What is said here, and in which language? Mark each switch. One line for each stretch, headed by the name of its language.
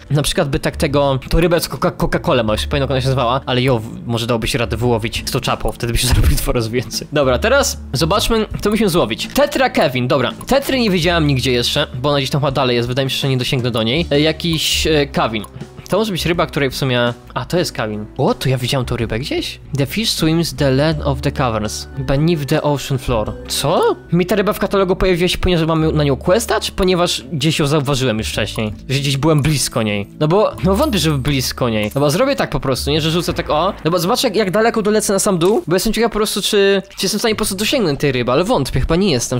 Polish: Na przykład by tak tego, to rybę z Coca-Cola ma, jeszcze pamiętam, jak ona się nazywała, ale jo, może dałoby się radę wyłowić z tą czapą, wtedy by się zrobił dwa razy więcej. Dobra, teraz zobaczmy, co musimy złowić. Tetra Kevin, dobra. Tetry nie widziałem nigdzie jeszcze, bo ona gdzieś tam chyba dalej jest, wydaje mi się, że nie dosięgnę do niej. Jakiś Kevin. To może być ryba, której w sumie... A, to jest Kevin. O, to ja widziałem tą rybę gdzieś?
English: The fish swims the land of the caverns, beneath the ocean floor.
Polish: Co? Mi ta ryba w katalogu pojawiła się, ponieważ mamy na nią questa, czy ponieważ gdzieś ją zauważyłem już wcześniej? Że gdzieś byłem blisko niej. No wątpię, że blisko niej. No bo zrobię tak po prostu, nie? Że rzucę tak, o. No bo zobacz, jak daleko dolecę na sam dół, bo jestem ciekaw po prostu, czy jestem w stanie po prostu dosięgnąć tej ryby, ale wątpię, chyba nie jestem.